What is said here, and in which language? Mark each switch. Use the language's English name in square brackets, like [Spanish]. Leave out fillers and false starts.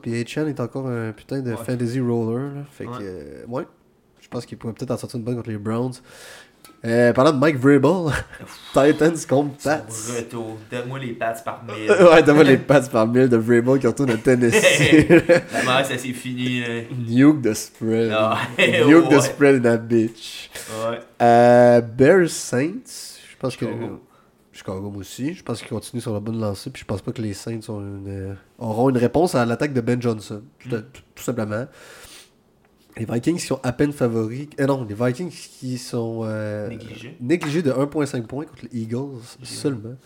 [French] Puis Etienne est encore un putain de fantasy roller. Là. Fait que... Ouais. Je pense qu'il pourrait peut-être en sortir une bonne contre les Browns. Parlant de Mike Vrabel, Titans contre Pats. Retour. Donne-moi les Pats par mille. Ouais, donne-moi les Pats par mille de Vrabel qui retourne à Tennessee. La mère, ça s'est fini. [English] Nuke the spread. Nuke the spread in a bitch. [French] Ouais. Bears Saints. Je pense que. Chicago aussi. Je pense qu'ils continuent sur la bonne lancée. Puis je pense pas que les Saints auront une réponse à l'attaque de Ben Johnson. Tout simplement. Les Vikings qui sont à peine favoris. Les Vikings qui sont négligés de 1.5 points contre les Eagles seulement.